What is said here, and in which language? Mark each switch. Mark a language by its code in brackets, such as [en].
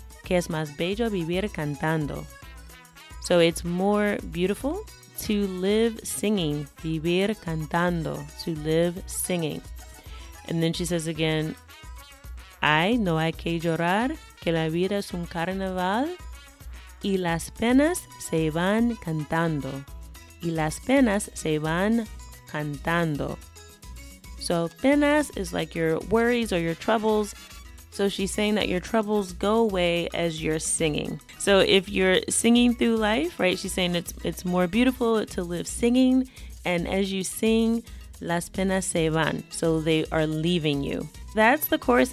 [es] Que es más bello vivir cantando. [en] So it's more beautiful to live singing. [es] Vivir cantando. [en] To live singing. And then she says again, [es] ay, no hay que llorar, que la vida es un carnaval. Y las penas se van cantando. Y las penas se van cantando. [en] So penas is like your worries or your troubles. So she's saying that your troubles go away as you're singing. So if you're singing through life, right, she's saying it's more beautiful to live singing. And as you sing, [es] las penas se van. [en] So they are leaving you. that's the chorus.